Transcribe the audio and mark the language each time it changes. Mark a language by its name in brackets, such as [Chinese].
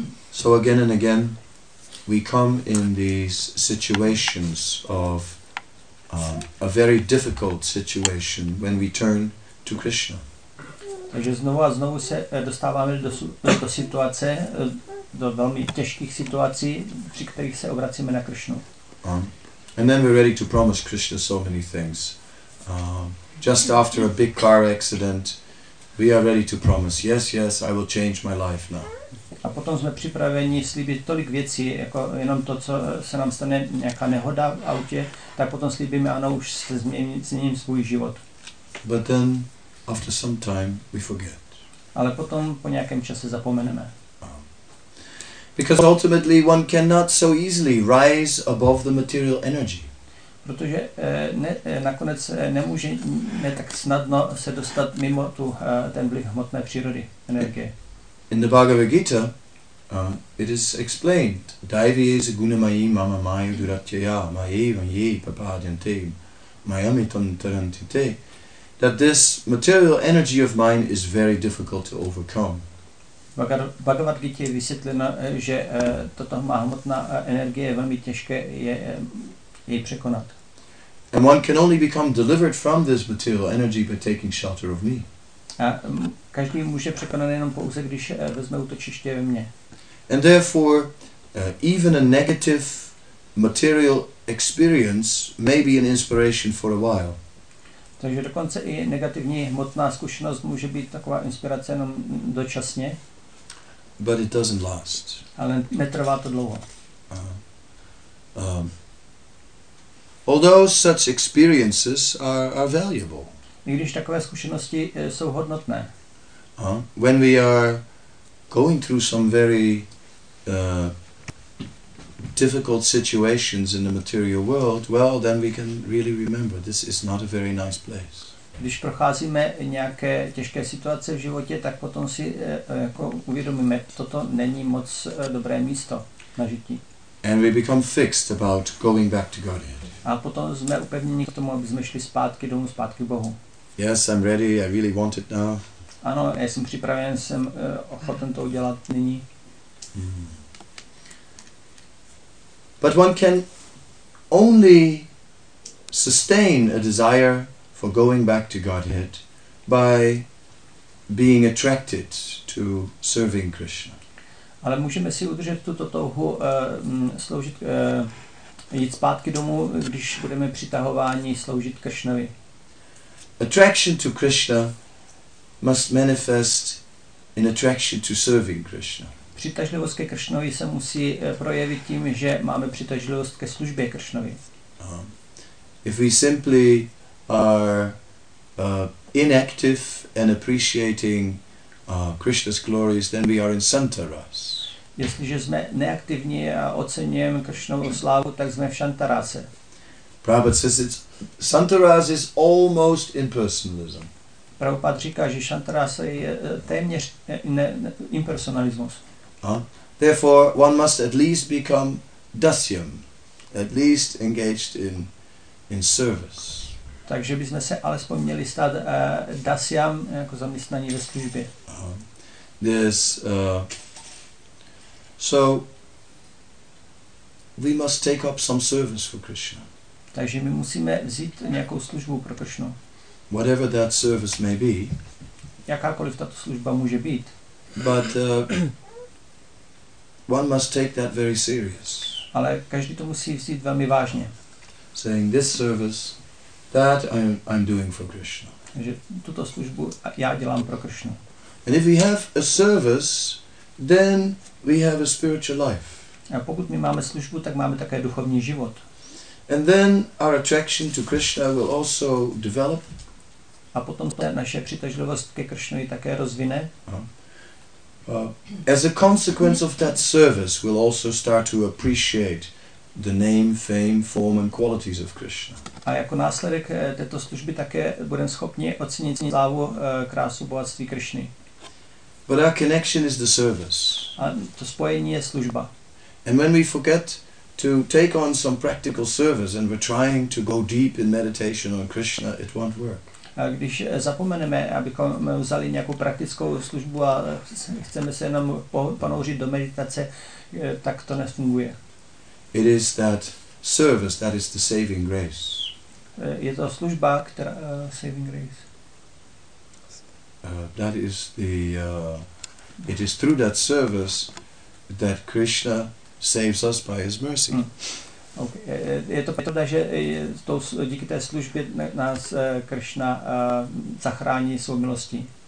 [English] So again and again, we come in these situations of a very difficult situation when we turn to Krishna. [Czech] Takže znovu a znovu se dostáváme do situace, do velmi těžkých situací, při kterých se obracíme na Krishnu. [English] And then we're ready to promise Krishna so many things. Just after a big car accident, we are ready to promise, yes, yes, I will change my life now. [Czech] A potom jsme připraveni slíbit tolik věcí, jako jenom to, co se nám stane nějaká nehoda v autě, tak potom slíbíme, ano, už se změním svůj život. [English] But then, after some time, we forget. [Czech] Ale potom po nějakém čase zapomeneme. [English] Because ultimately one cannot so easily rise above the material energy. [Czech] Protože nakonec nemůže tak snadno se dostat mimo ten vliv hmotné přírody, energie. [English] In the Bhagavad Gita, it is explained, [Sanskrit] Daivyez gunamayi mama maya duratyaya mayevam ye papadyante mayamitam tarantite, [English] that this material energy of mine is very difficult to overcome. [Czech] Bhagavad Gita je vysvětleno, že toto má hmotná energie je velmi těžké jej překonat. [English] And one can only become delivered from this material energy by taking shelter of me. [Czech] A každý může překonat jenom pouze, když vezme útočiště ve mně. [English] And therefore, even a negative material experience may be an inspiration for a while. [Czech] Takže dokonce i negativní hmotná zkušenost může být taková inspirace jenom dočasně. [English] But it doesn't last. [Czech] Ale netrvá to dlouho. [English] Although such experiences are valuable. [Czech] I když takové zkušenosti jsou hodnotné. [English] When we are going through some very difficult situations in the material world, well, then we can really remember this is not a very nice place. [Czech] Když procházíme nějaké těžké situace v životě, tak potom si jako uvědomíme, toto není moc dobré místo na žití. [English] And we become fixed about going back to Godhead. [Czech] A potom jsme upevněni k tomu, aby jsme šli zpátky domů, zpátky k Bohu. [English] Yes, I'm ready. I really want it now. [Czech] Ano, já jsem připraven, jsem ochoten to udělat nyní. Mm-hmm. [English] But one can only sustain a desire for going back to Godhead by being attracted to serving Krishna. [Czech] Ale můžeme si udržet tuto touhu sloužit jít zpátky domů, když budeme přitahováni sloužit Krishnovi. [English] Attraction to Krishna must manifest in attraction to serving Krishna. [Czech] Přitažlivost ke Krishnovi se musí projevit tím, že máme přitažlivost ke službě Krishnovi. [English] If we simply are inactive and appreciating Krishna's glories, then we are in Santaras. [Czech] Jestliže jsme neaktivní a oceňujeme Krishnovu slávu, tak jsme v Santarase. [English] Prabhupada says it's Santaras is almost impersonalism. [Czech] Prabhupada říká, že Santarasa je téměř impersonalismus. [English] Therefore, one must at least become dasyam, at least engaged in service. [Czech] Takže bychom se alespoň měli stát dasyam, jako zaměstnaní ve službě. [English] So we must take up some service for Krishna. [Czech] Takže my musíme vzít nějakou službu pro Krishnu. [English] Whatever that service may be. [Czech] Jakákoliv tato služba může být. [English] But one must take that very serious. [Czech] Ale každý to musí vzít velmi vážně. [English] Saying this service that I'm doing for Krishna. [Czech] Takže tuto službu já dělám pro Krishnu. [English] And if we have a service, then we have a spiritual life. [Czech] A pokud my máme službu, tak máme také duchovní život. [English] And then our attraction to Krishna will also develop. [Czech] A potom ta naše přitažlivost ke Krishnovi také rozvine. [English] As a consequence of that service, we'll also start to appreciate the name, fame, form and qualities of Krishna. [Czech] A jako následek této služby také budeme schopni ocenit slávu, krásu, bohatství Krishny. [English] But our connection is the service. [Czech] A to spojení je služba. [English] And when we forget to take on some practical service and we're trying to go deep in meditation on Krishna, it won't work. [Czech] Když zapomeneme, abychom vzali nějakou praktickou službu a chceme se jenom ponouřit do meditace, tak to nefunguje. [English] It is that service that is the saving grace. [Czech] Je to služba, která [English] saving grace. That is the it is through that service that Krishna saves us by his mercy. Okay. [Czech] Je to pravda, že díky té službě nás Krishna zachrání svou milostí.